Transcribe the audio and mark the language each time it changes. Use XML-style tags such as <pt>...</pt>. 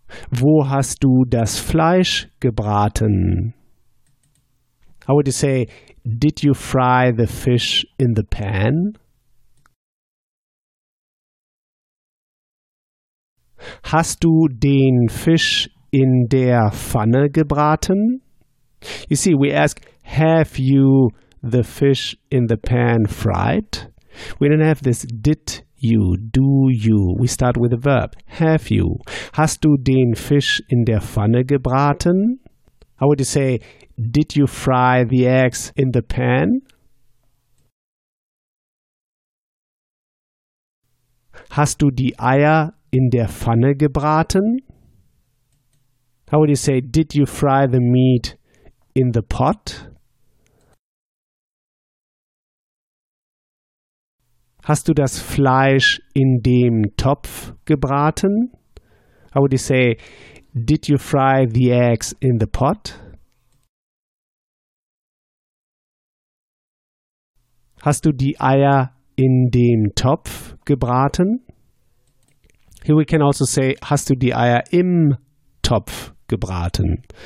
<de>Wo hast du das Fleisch gebraten?</de> <en>How would you say, did you fry the fish in the pan?</en> <de>Hast du den Fisch in der Pfanne gebraten?</de> <en>You see, we ask, have you the fish in the pan fried? We don't have this did you, do you. We start with a verb. Have you?</en> <de>Hast du den Fisch in der Pfanne gebraten?</de> <en>How would you say, did you fry the eggs in the pan?</en> <de>Hast du die Eier in der Pfanne gebraten?</de> <en>How would you say, did you fry the meat in the pot?</en> <de>Hast du das Fleisch in dem Topf gebraten?</de> <en>How would you say, did you fry the eggs in the pot?</en> <de>Hast du die Eier in dem Topf gebraten?</de> <en>Here we can also say,</en> <de>hast du die Eier im Topf gebraten?</de>